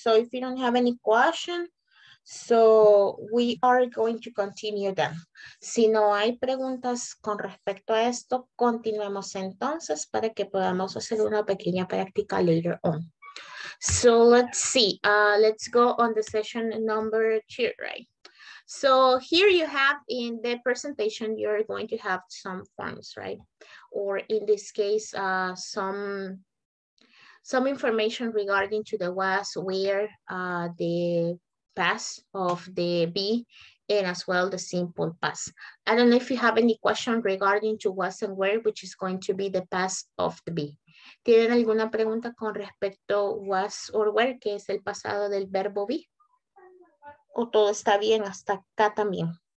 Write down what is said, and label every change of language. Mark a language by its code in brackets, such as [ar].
[en] So if you don't have any question, so we are going to continue then. [es] Si no hay preguntas con respecto a esto, continuemos entonces para que podamos hacer una pequeña práctica [en] later on. So let's see. Let's go on the session number 2, right? So here you have in the presentation, you're going to have some forms, right? Or in this case, some information regarding to the was, where, the past of the be, and as well the simple past. I don't know if you have any question regarding to was and where, which is going to be the past of the be. [es] ¿Tienen alguna pregunta con respecto [en] was or where, [es] que es el pasado del verbo be? ¿O todo está bien hasta acá también?